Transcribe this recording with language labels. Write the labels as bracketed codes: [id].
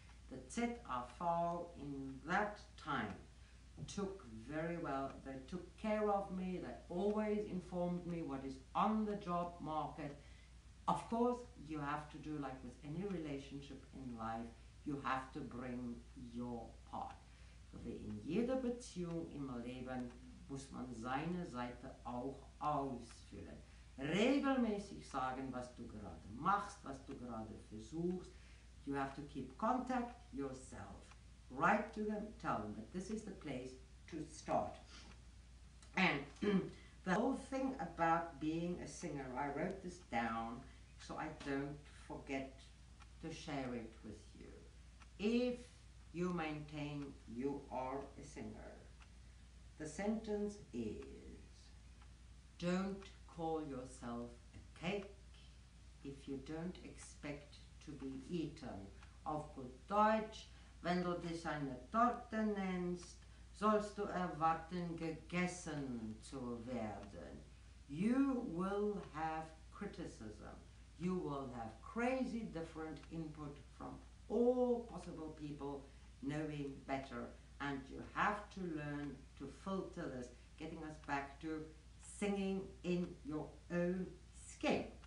[en] The ZAV in that time took very well. They took care of me. They always informed me what is on the job market. Of course, you have to do like with any relationship in life, you have to bring your part. [de] Wie in jeder Beziehung im Leben muss man seine Seite auch ausfüllen. Regelmäßig sagen, was du gerade machst, was du gerade versuchst. [en] You have to keep contact yourself. Write to them, tell them that this is the place to start. And the whole thing about being a singer, I wrote this down so I don't forget to share it with you. If you maintain you are a singer, the sentence is, don't call yourself a cake if you don't expect to be eaten. [de] Auf gut Deutsch, wenn du dich eine Torte nennst, sollst du erwarten, gegessen zu werden. [en] You will have criticism. You will have crazy different input from all possible people knowing better. And you have to learn to filter this, getting us back to singing in your own skin.